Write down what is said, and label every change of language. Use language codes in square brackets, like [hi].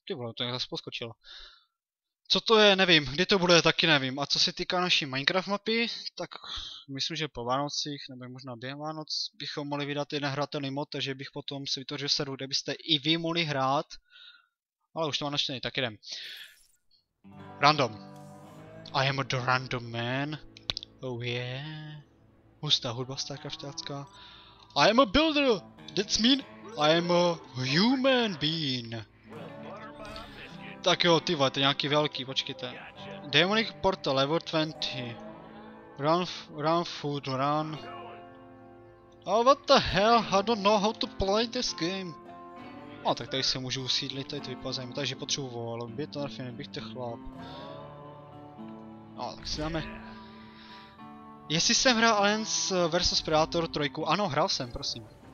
[cs] Ty vole, to je zase poskočilo. Co to je, nevím. Kdy to bude, taky nevím. A co se týká naší Minecraft mapy, tak myslím, že po Vánocích, nebo možná během Vánoc, bychom mohli vydat jeden hratelný mod, takže bych potom si vytvořil server, kde byste i vy mohli hrát. Ale už to mám načtený, tak jdem. Random. [en] I am a random man. Oh yeah. [cs] Hustá hudba starcraftácká. [en] I am a builder. That's mean I am a human being. [cs] Tak jo, ty vole, to je nějaký velký, počkejte. [en] Demonic portal level 20. Run, run food, run. Oh, what the hell, I don't know how to play this game. [cs] No, tak tady se můžu usídlit, tady to vypadá zajímavé, takže potřebuji vole, by to nerfine, bych to chlap. No, tak si dáme. Jestli jsem hrál Aliens versus Predator 3, ano, hrál jsem, prosím.